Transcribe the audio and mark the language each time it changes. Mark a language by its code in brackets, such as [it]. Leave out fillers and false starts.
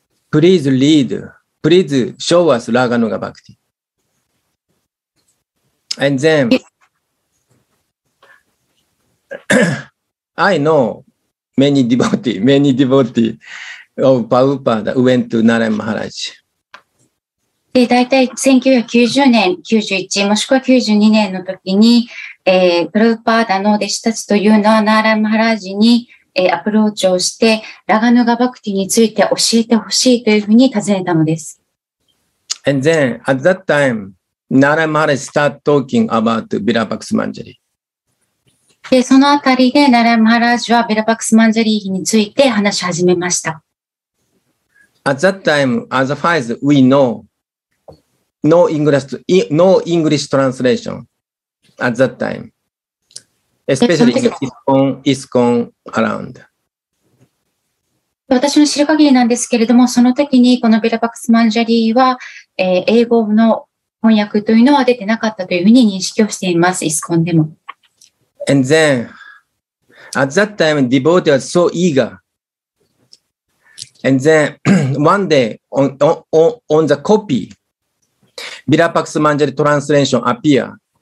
[en] Please read, please show us Raganuga Bhakti. And then, I know many devotees of Prabhupada went to Narayan Maharaj. [ja] で、大体1990年、91、もしくは92年の時に、プルーパーダの弟子たちというのは、ナーラマハラージに、アプローチをして、ラガヌガバクティについて教えてほしいというふうに尋ねたのです。 [en] And then, at that time, ナーラマハラージ started talking about Virapaks Manjari. [ja] で、そのあたりで、ナラヤマハラージュはベラパクスマンジャリーヒについて話し始めました。 [en] At that time, as a far as we know, no English, no English translation at that time. Especially ISKCON, ISKCON around. [ja] 私の知る限りなんですけれども、その時にこのベラパクスマンジャリーは、英語の翻訳というのは出てなかったというふうに認識をしています、ISKCONでも。 [en] And then, at that time, devotee was so eager. And then, one day, on the copy, Virapaksa Manjari translation appear.